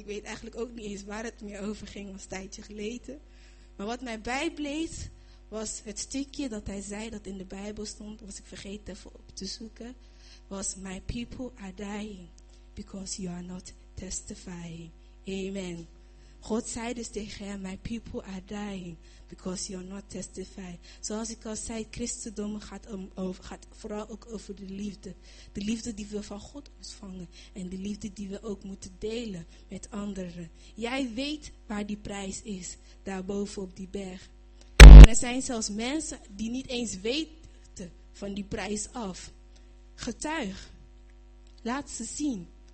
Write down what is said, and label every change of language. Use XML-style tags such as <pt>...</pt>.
<nl>Ik weet eigenlijk ook niet eens waar het meer over ging, was een tijdje geleden. Maar wat mij bijbleef, was het stukje dat hij zei dat in de Bijbel stond, was ik vergeten even op te zoeken, was:</nl> <en>my people are dying because you are not testifying.</en> <nl>Amen. God zei dus tegen hem:</nl> <en>my people are dying because you are not testifying.</en> <nl>Zoals ik al zei, christendom gaat vooral ook over de liefde. De liefde die we van God ontvangen en de liefde die we ook moeten delen met anderen. Jij weet waar die prijs is, daarboven op die berg. En er zijn zelfs mensen die niet eens weten van die prijs af. Getuig. Laat ze zien.</nl>